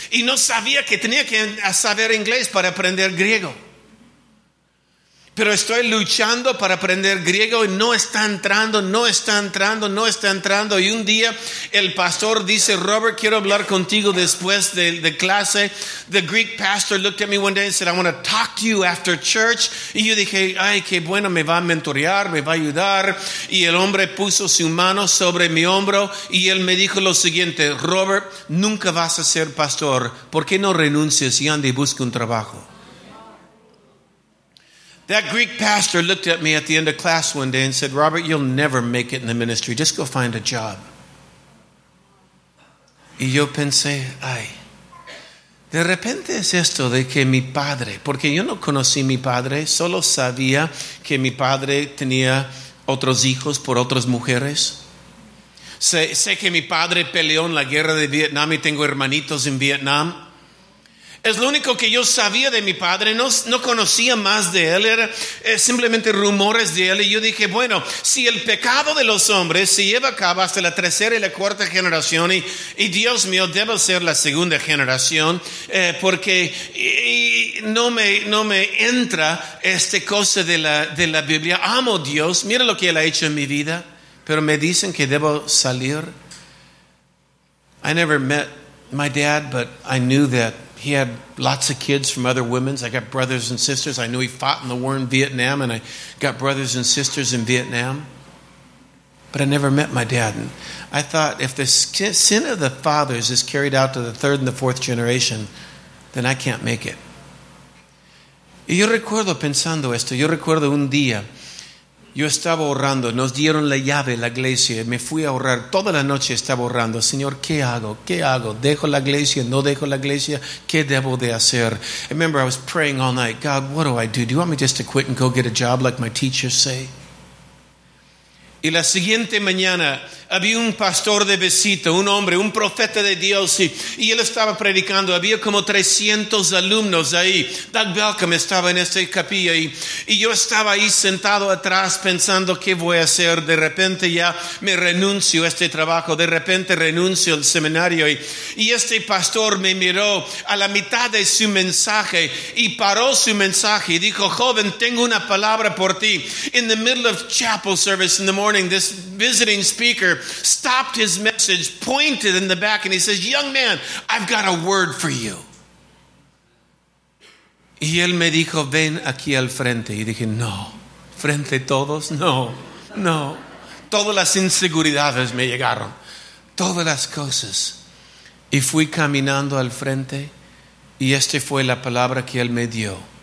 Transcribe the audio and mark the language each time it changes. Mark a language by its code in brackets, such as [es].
[es] Y no sabía que tenía que saber inglés para aprender griego. Pero estoy luchando para aprender griego y no está entrando, no está entrando, no está entrando. Y un día el pastor dice, Robert, quiero hablar contigo después de clase. [en] The Greek pastor looked at me one day and said, I want to talk to you after church. [es] Y yo dije, ay, qué bueno, me va a mentorear, me va a ayudar. Y el hombre puso su mano sobre mi hombro y él me dijo lo siguiente, Robert, nunca vas a ser pastor. ¿Por qué no renuncias y anda y busca un trabajo? [en] That Greek pastor looked at me at the end of class one day and said, Robert, you'll never make it in the ministry. Just go find a job. [es] Y yo pensé, ay, de repente es esto de que mi padre, porque yo no conocí mi padre, solo sabía que mi padre tenía otros hijos por otras mujeres. Sé que mi padre peleó en la guerra de Vietnam y tengo hermanitos en Vietnam. Es lo único que yo sabía de mi padre. No conocía más de él. Era simplemente rumores de él. Y yo dije, bueno, si el pecado de los hombres se lleva a cabo hasta la tercera y la cuarta generación, y Dios mío, debo ser la segunda generación, porque no me entra este cosa de la Biblia. Amo a Dios. Mira lo que él ha hecho en mi vida. Pero me dicen que debo salir. [en] I never met my dad, but I knew that he had lots of kids from other women. I got brothers and sisters. I knew he fought in the war in Vietnam, and I got brothers and sisters in Vietnam. But I never met my dad. And I thought, if the sin of the fathers is carried out to the third and the fourth generation, then I can't make it. [es] Y yo recuerdo pensando esto. Yo recuerdo un día, yo estaba orando. Nos dieron la llave de la iglesia. Me fui a orar. Toda la noche estaba orando. Señor, ¿qué hago? ¿Qué hago? ¿Dejo la iglesia? ¿No dejo la iglesia? ¿Qué debo de hacer? [en] I remember I was praying all night. God, what do I do? Do you want me just to quit and go get a job like my teachers say? [es] Y la siguiente mañana había un pastor de visita, un hombre, un profeta de Dios, y él estaba predicando. Había como 300 alumnos ahí. Doug Belcom estaba en esta capilla y yo estaba ahí sentado atrás pensando, ¿qué voy a hacer? De repente ya me renuncio a este trabajo, de repente renuncio al seminario. Y este pastor me miró a la mitad de su mensaje y paró su mensaje y dijo, joven, tengo una palabra por ti. [en] In the middle of chapel service in the morning, this visiting speaker stopped his message, pointed in the back, and he says, young man, I've got a word for you. [es] Y él me dijo, ven aquí al frente. Y dije, no, frente todos, no, no. Todas las inseguridades me llegaron, todas las cosas. Y fui caminando al frente, y esta fue la palabra que él me dio.